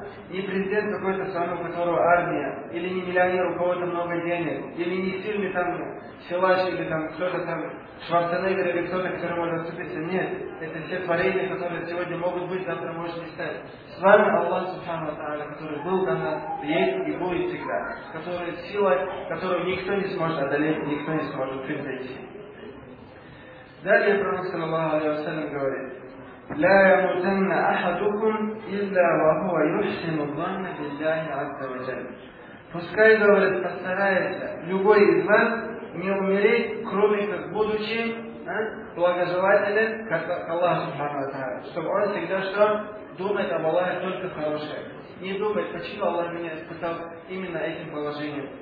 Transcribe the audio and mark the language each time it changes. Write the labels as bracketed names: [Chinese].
[Russian] Не президент какой-то страны, у которого армия, или не миллионер, у кого-то много денег, или не сильный там силач, или там кто-то там, Шварценеггер или кто-то, который может отступиться. Нет, это все творения, которые сегодня могут быть, завтра может не стать. С вами Аллах Субхану Ва Тааля, который был до нас, есть и будет всегда. Который сила, которую никто не сможет одолеть, никто не сможет превзойти. Далее пророк саллаллаху алейхи ва саллям говорит, [Arabic] لَا يَمُتَنَّ أَحَدُكُمْ إِلَّا وَهُوَ يُحْسِنُ الظَّنَّ بِاللَّهِ عَزَّ وَجَلَّ. [Russian] Пускай, говорит, постарается любой из вас не умереть, кроме как будучи благожелателен к Аллаху Субхану ва Тааля, чтобы он всегда что думает об Аллахе только хорошее. Не думает, почему Аллах меня испытал именно этим положением.